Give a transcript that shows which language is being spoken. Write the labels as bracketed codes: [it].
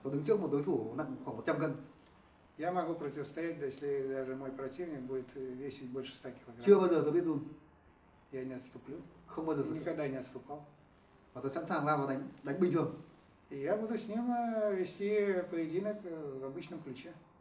[vi] Tôi đứng trước một đối thủ nặng khoảng 100 cân. [ru] Я могу противостоять, если даже мой противник будет весить больше 100 килограмм. [vi] Chưa bao giờ tôi biết luôn. [ru] Я не отступлю. [vi] Không bao giờ. [ru] Никогда не отступал. [vi] Và tôi sẵn sàng lao vào đánh bình thường. [ru] И я буду с ним вести поединок в обычном ключе.